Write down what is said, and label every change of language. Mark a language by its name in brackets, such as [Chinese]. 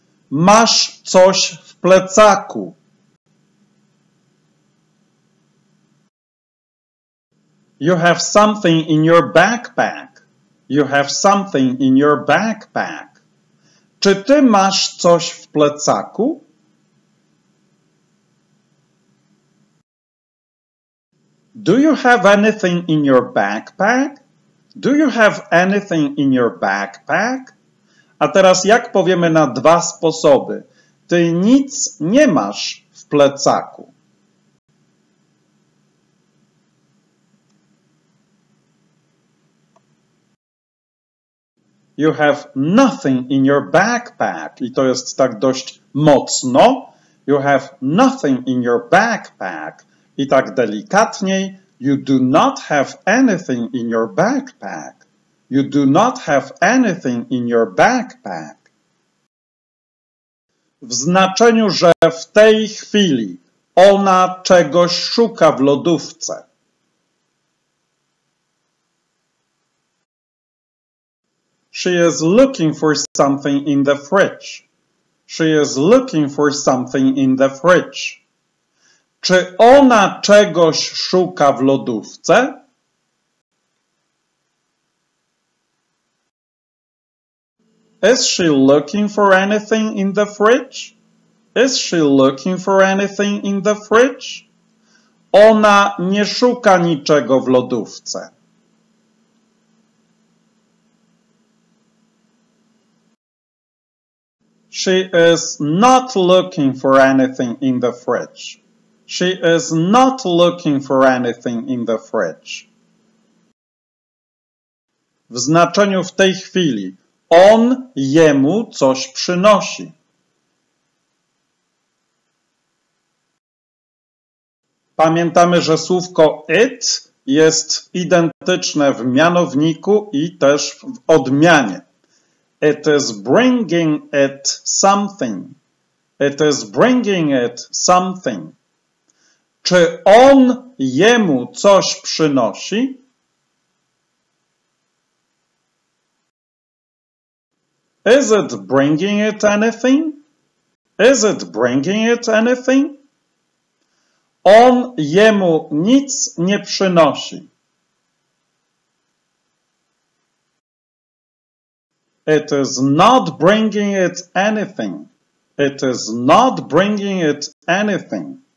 [Polish] Masz coś w plecaku. [English] You have something in your backpack. You have something in your backpack. [Polish] Czy ty masz coś w plecaku? [English] Do you have anything in your backpack? Do you have anything in your backpack? [Polish] A teraz jak powiemy na dwa sposoby? Ty nic nie masz w plecaku. [English] You have nothing in your backpack. [Polish] I to jest tak dość mocno. [English] You have nothing in your backpack. [Polish] I tak delikatniej. [English] You do not have anything in your backpack. You do not have anything in your backpack. [Polish] W znaczeniu, że w tej chwili ona czegoś szuka w lodówce. [English] She is looking for something in the fridge. She is looking for something in the fridge. [Polish] Czy ona czegoś szuka w lodówce? [English] Is she looking for anything in the fridge? Is she looking for anything in the fridge? [Polish] Ona nie szuka niczego w lodówce. [English] She is not looking for anything in the fridge. She is not looking for anything in the fridge. [Polish] W znaczeniu w tej chwili. On jemu coś przynosi. Pamiętamy, że słówko it jest identyczne w mianowniku i też w odmianie. [English] It is bringing it something. It is bringing it something. [Polish] Czy on jemu coś przynosi? [English] Is it bringing it anything? Is it bringing it anything? [Polish] On jemu nic nie przynosi. [English] It is not bringing it anything. It is not bringing it anything.